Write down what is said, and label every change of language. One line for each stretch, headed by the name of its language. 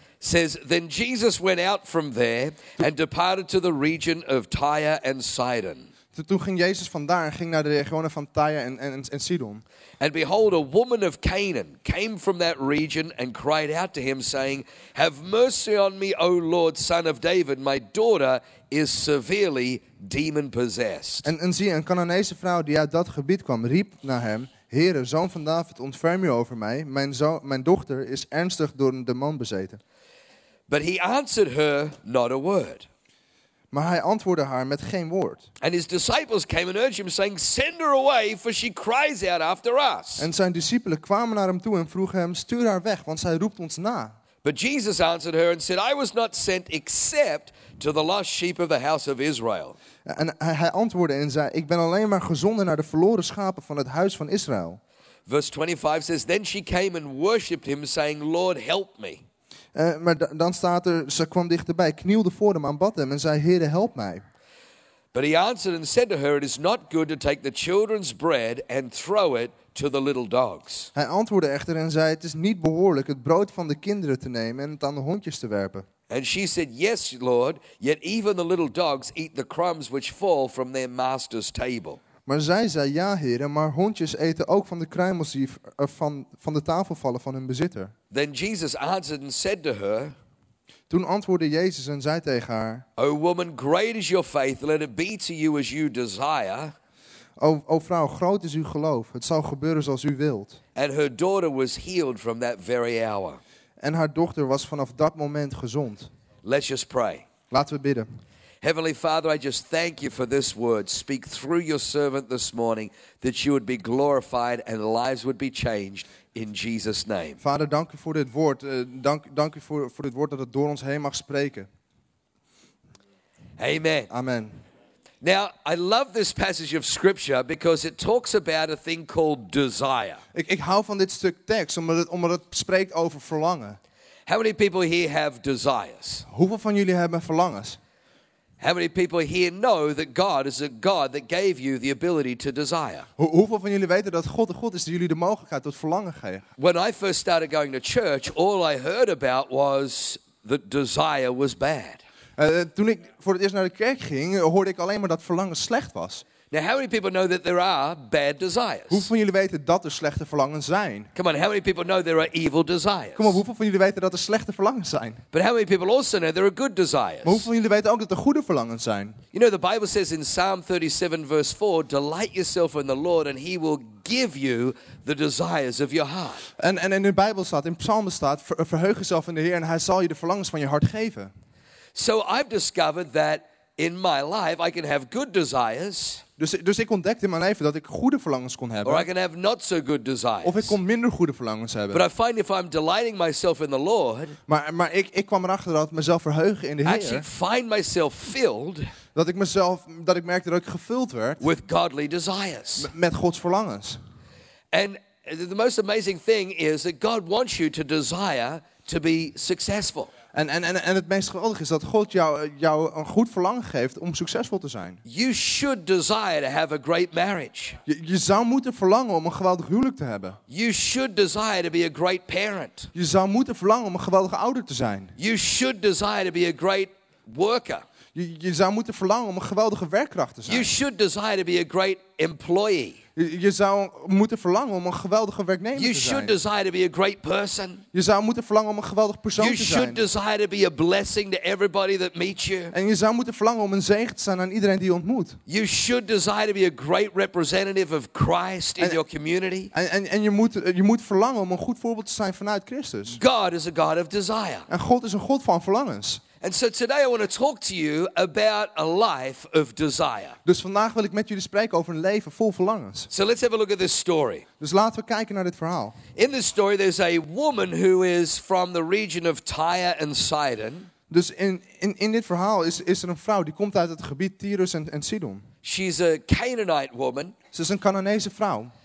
English: Says, then Jesus went out from there and departed to the region of Tyre and Sidon.
Dutch: Toen ging Jezus vandaar en ging naar de regionen van Tyre en Sidon.
English: And behold, a woman of Canaan came from that region and cried out to him, saying, "Have mercy on me, O Lord, Son of David. My daughter is severely demon-possessed."
Dutch: En zie, een Canaanese vrouw die uit dat gebied kwam, riep naar hem, "Heere, Zoon van David, ontferm u over mij. Mijn dochter is ernstig door een demon bezeten."
English: But he answered her not a word.
Dutch: Maar hij antwoordde haar met geen woord.
English: And his disciples came and urged him, saying, "Send her away, for she cries out after us."
Dutch: En zijn discipelen kwamen naar hem toe en vroegen hem, "Stuur haar weg, want zij roept ons na."
English: But Jesus answered her and said, "I was not sent except to the lost sheep of the house of Israel."
Dutch: En hij antwoordde en zei, "Ik ben alleen maar gezonden naar de verloren schapen van het huis van Israël."
English: Verse 25 says, "Then she came and worshipped him, saying, 'Lord, help me.'"
Dutch: Maar dan staat er, ze kwam dichterbij, knielde voor hem, aanbad hem en zei, "Heere, help mij."
English: But he answered and said to her, "It is not good to take the children's bread and throw it to the little dogs."
Dutch: Hij antwoordde echter en zei, "Het is niet behoorlijk het brood van de kinderen te nemen en het aan de hondjes te werpen."
English: And she said, "Yes, Lord, yet even the little dogs eat the crumbs which fall from their master's table."
Dutch: Maar zij zei, "Ja, Heere, maar hondjes eten ook van de kruimels die van de tafel vallen van hun bezitter."
English: Then Jesus answered and said to her,
Dutch: toen antwoordde Jezus en zei tegen haar,
English: "O woman, great is your faith, let it be to you as you desire."
Dutch: O vrouw, groot is uw geloof, het zal gebeuren zoals u wilt.
English: And her daughter was healed from that very hour.
Dutch: En haar dochter was vanaf dat moment gezond.
English: Let's just pray.
Dutch: Laten we bidden.
English: Heavenly Father, I just thank you for this word. Speak through your servant this morning that you would be glorified and lives would be changed in Jesus' name.
Dutch: Vader, dank u voor dit woord. Dank u voor dit woord dat het door ons heen mag spreken. Amen. Amen.
English: Now, I love this passage of scripture because it talks about a thing called desire.
Dutch: Ik hou van dit stuk tekst omdat het spreekt over verlangen.
English: How many people here have desires?
Dutch: Hoeveel van jullie hebben verlangens?
English: How many people here know that God is a God that gave you the ability to desire?
Dutch: Hoeveel van jullie weten dat God de God is die jullie de mogelijkheid tot verlangen geeft?
English: When I first started going to church, all I heard about was that desire was bad.
Dutch: Toen ik voor het eerst naar de kerk ging, hoorde ik alleen maar dat verlangen slecht was.
English: Now, how many people know that there are bad desires?
Dutch: Hoeveel van jullie weten dat er slechte verlangens zijn?
English: Come on, how many people know there are evil desires?
Dutch: Kom op, hoeveel van jullie weten dat er slechte verlangens zijn?
English: But how many people also know there are good desires?
Dutch: Maar hoeveel van jullie weten ook dat er goede verlangens zijn?
English: You know, the Bible says in Psalm 37, verse 4, "Delight yourself in the Lord, and He will give you the desires of your heart."
Dutch: En in de Bijbel staat, in Psalmen staat, verheug jezelf in de Heer, en Hij zal je de verlangens van je hart geven.
English: So I've discovered that in my life I can have good desires.
Dutch: Dus ik ontdekte in mijn leven dat ik goede verlangens kon hebben.
English: Or I can have not so good desires.
Dutch: Of ik kon minder goede verlangens hebben.
English: But I find if I'm delighting myself in the Lord.
Dutch: Maar ik kwam erachter dat mezelf verheugen in de Heer.
English: Actually find myself filled.
Dutch: Dat ik merkte dat ik gevuld werd.
English: With godly desires.
Dutch: Met Gods verlangens.
English: And the most amazing thing is that God wants you to desire to be successful.
Dutch: En het meest geweldige is dat God jou een goed verlangen geeft om succesvol te zijn.
English: You should desire to have a great marriage.
Dutch: Je zou moeten verlangen om een geweldig huwelijk te hebben.
English: You should desire to be a great parent.
Dutch: Je zou moeten verlangen om een geweldige ouder te zijn.
English: You should desire to be a great worker.
Dutch: Je zou moeten verlangen om een geweldige werkkracht te zijn.
English: You should desire to be a great employee.
Dutch: Je zou moeten verlangen om een geweldige werknemer te zijn.
English: You should desire to be a great person.
Dutch: Je zou moeten verlangen om een geweldig persoon te zijn.
English: You should desire to be a blessing to everybody that meets you.
Dutch: En je zou moeten verlangen om een zegen te zijn aan iedereen die je ontmoet.
English: You should desire to be a great representative of Christ in your community.
Dutch: En je moet verlangen om een goed voorbeeld te zijn vanuit Christus.
English: God is a God of desire.
Dutch: En God is een God van verlangens.
English: And so today I want to talk to you about a life of desire.
Dutch: Dus vandaag wil ik met jullie spreken over een leven vol verlangens.
English: So let's have a look at this story.
Dutch: Dus laten we kijken naar dit verhaal.
English: In this story there's a woman who is from the region of Tyre and Sidon.
Dutch: Dus in dit verhaal is er een vrouw die komt uit het gebied Tyrus en Sidon.
English: She's a Canaanite woman.
Dutch: Ze is een Canaanese vrouw.